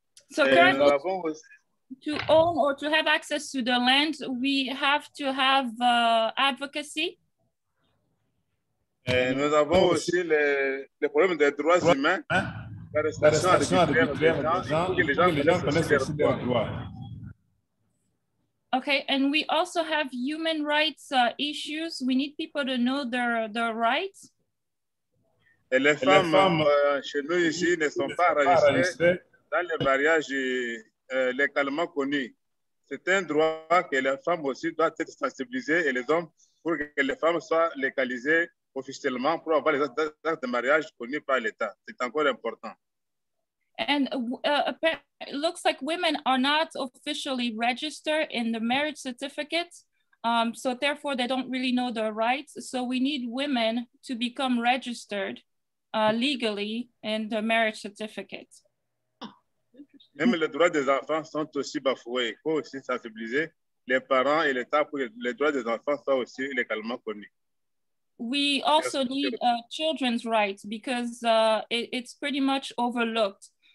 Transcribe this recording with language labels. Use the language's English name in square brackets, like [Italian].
[English] So currently, to own or to have access to the land, we have to have advocacy. [French] Et nous avons aussi les problèmes des droits humains, l'arrestation arbitraire des gens connaissent aussi leurs droits. [English] Okay, and we also have human rights issues. We need people to know their rights. [French] Et les femmes chez nous ici ne sont pas enregistrées dans les mariages légalement connus. C'est un droit que les femmes aussi doivent être sensibilisées et les hommes pour que les femmes soient légalisées officiellement pour avoir les actes de mariage connus par l'État. C'est encore important. [English] And it looks like women are not officially registered in the marriage certificate, so therefore they don't really know their rights. So we need women to become registered legally in the marriage certificate. [French] Même les droits des enfants sont aussi bafoués. Il faut aussi sensibiliser les parents et l'État pour que les droits des enfants soient aussi légalement connus. [English] We also need children's rights because it's pretty much overlooked.